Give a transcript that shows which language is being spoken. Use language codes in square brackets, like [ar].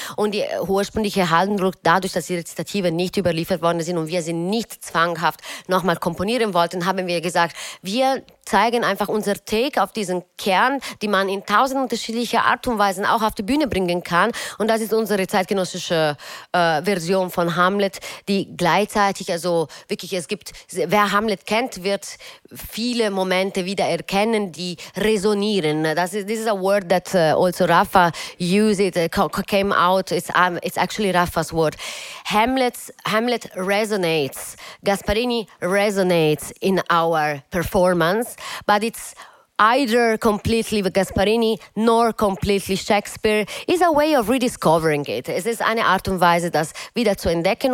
[de] Und die ursprüngliche Handlung, dadurch, dass die Rezitative nicht überliefert worden sind und wir sie nicht zwanghaft nochmal komponieren wollten, haben wir gesagt, wir zeigen einfach unser Take auf diesen Kern, die man in tausend unterschiedliche Art und Weisen auch auf die Bühne bringen kann. Und das ist unsere zeitgenössische Version von Hamlet, die gleichzeitig, also wirklich, es gibt, wer Hamlet kennt, wird viele Momente wieder erkennen, die resonieren. [en] This is a word that also Rafa used, came out, it's actually Rafa's word. Hamlet resonates, Gasparini resonates in our performance. But it's either completely Gasparini nor completely Shakespeare. It's a way of rediscovering it. [de] Es ist eine Art und Weise, das wieder zu entdecken.